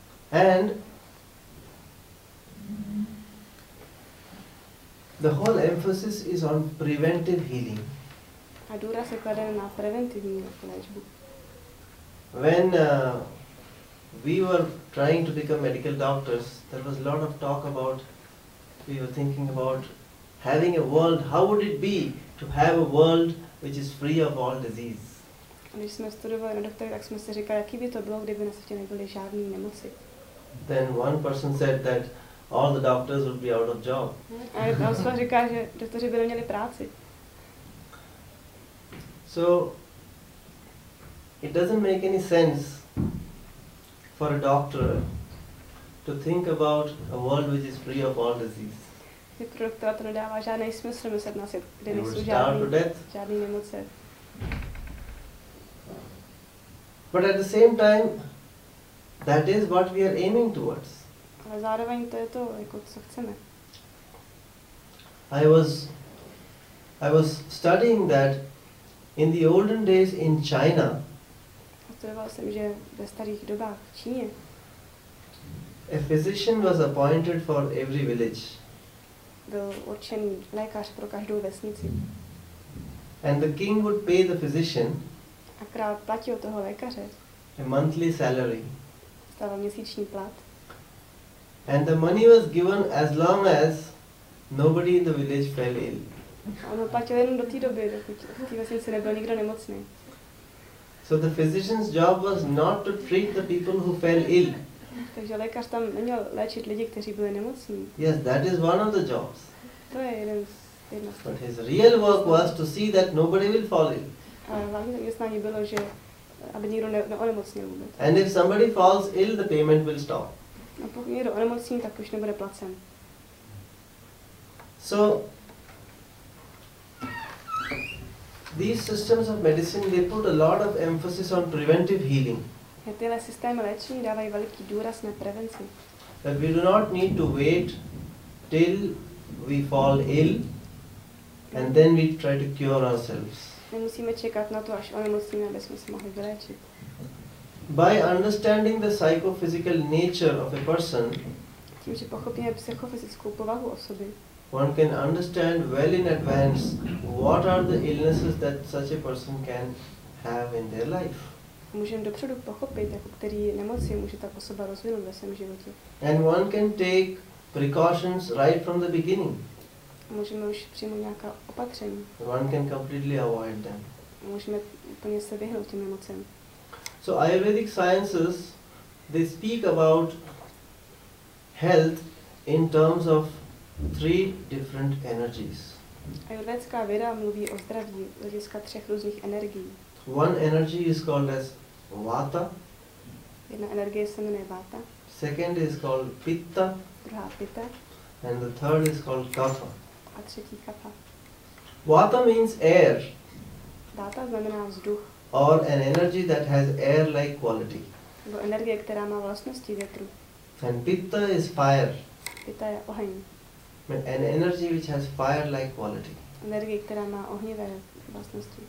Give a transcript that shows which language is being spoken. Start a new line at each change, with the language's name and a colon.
English: And the whole emphasis is on preventive healing.
Czech: A důraz je kladen na preventivní léčbu.
English: When we were trying to become medical doctors, there was a lot of talk about, we were thinking about having a world, how would it be to have a world which is free of all disease?
Czech: Když jsme studovali na doktory, tak jsme si říkali, jaký by to bylo, kdyby na světě nebyly žádné nemoci.
English: Then one person said that all the doctors would be out of job.
Czech: A jedna osoba říká, že doktoři by neměli práci.
English: So it doesn't make any sense for a doctor to think about a world which is free of all disease.
Czech: Je pro doktora to nedává žádný smysl myslet na svět, kde nejsou žádný nemoce.
English: But at the same time, that is what we are aiming towards.
Czech: Ale zároveň to je to, jako co chceme.
English: I was studying that in the olden days in China.
Czech: Studoval jsem, že ve starých dobách v Číně.
English: A physician was appointed for every village.
Czech: Byl určený lékař pro každou vesnici.
English: And the king would pay the physician.
Czech: A král platil toho lékaře.
English: A monthly salary.
Czech: Stával měsíční plat.
English: And the money was given as long as nobody in the village fell ill.
Czech: On ho platil jenom do té doby, dokud v té vesnici nebyl nikdo nemocný.
English: So the physician's job was not to treat the people who fell ill.
Czech: Takže lékař tam neměl léčit lidi, kteří byli nemocní.
English: Yes, that is one of the jobs.
Czech: To je jeden z
English: But his real work was to see that nobody will fall ill.
Czech: A hlavní zaměstnání bylo, že aby nikdo neonemocnil vůbec.
English: And if somebody falls ill, the payment will stop.
Czech: A pokud někdo onemocní, tak už nebude placen.
English: So, these systems of medicine, they put a lot of emphasis on preventive healing.
Czech: Tyhle systémy léčení dávají veliký důraz na prevenci.
English: That we do not need to wait till we fall ill and then we try to cure ourselves.
Czech: Nemusíme čekat na to, až onemocníme, aby jsme se mohli vyléčit.
English: By understanding the psychophysical nature of a person,
Czech: tím, že pochopíme psychofyzickou povahu osoby,
English: one can understand well in advance what are the illnesses that such a person can have in their life.
Czech: Můžeme dopředu pochopit, jako který nemoci může ta osoba rozvinout ve svém životě.
English: And one can take precautions right from the beginning.
Czech: Můžeme už přijmout nějaká opatření.
English: One can completely avoid them.
Czech: Můžeme úplně se vyhnout těm nemocem.
English: So Ayurvedic sciences, they speak about health in terms of three different energies.
Czech: Ayurvedská věda mluví o zdraví z hlediska třech různých energií.
English: One energy is called as vata.
Czech: Jedna energie se jmenuje vata.
English: Second is called pitta.
Czech: Druhá pitta.
English: And the third is called kapha.
Czech: A třetí kapha.
English: Vata means air.
Czech: Vata znamená vzduch.
English: Or an energy that has air-like quality.
Czech: Nebo energie, která má vlastnosti větru.
English: And pitta is fire.
Czech: Pitta je oheň.
English: An energy which has fire-like quality.
Czech: Energie, která má ohnivé vlastnosti.